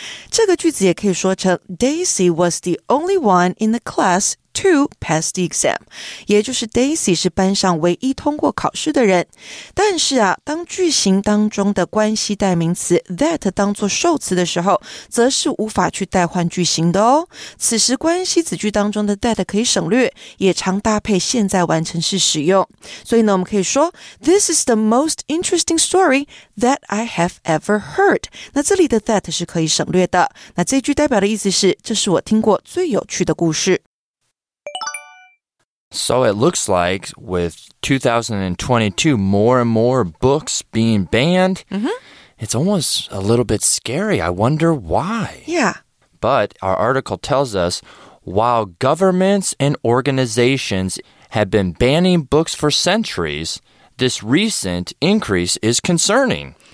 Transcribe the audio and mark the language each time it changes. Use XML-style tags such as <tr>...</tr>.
<en>这个句子也可以说成 Daisy was the only one in the class to pass the exam.</en> <zh>也就是 Daisy 是班上唯一通过考试的人。但是啊，当句型当中的关系代名词 that 当作受词的时候，则是无法去代换句型的哦。此时关系子句当中的 that 可以省略，也常搭配现在完成式使用。</zh> <en>所以呢，我们可以说 This is the most interesting story that I have ever heard.</en> <zh>那这里的 that 是可以省略的。那这句代表的意思是，这是我听过最有趣的故事。</zh> <en>So it looks like with 2022, more and more books being banned,、 mm-hmm. it's almost a little bit scary. I wonder why. Yeah. But our article tells us, while governments and organizations have been banning books for centuries, this recent increase is concerning.</en>